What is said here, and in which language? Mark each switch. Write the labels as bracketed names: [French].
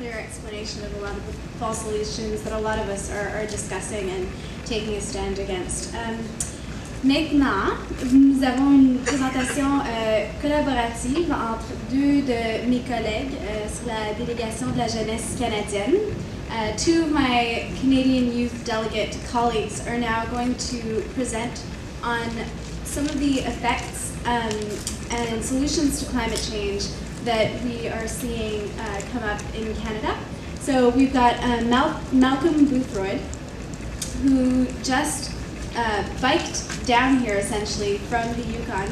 [English] Solutions that a lot of us are discussing and taking a stand against. [French] Maintenant, nous avons une présentation collaborative entre deux de mes collègues sur la délégation de la jeunesse canadienne. [English] Two of my Canadian youth delegate colleagues are now going to present on some of the effects and solutions to climate change that we are seeing come up in Canada. So we've got Malcolm Boothroyd, who just biked down here, essentially, from the Yukon.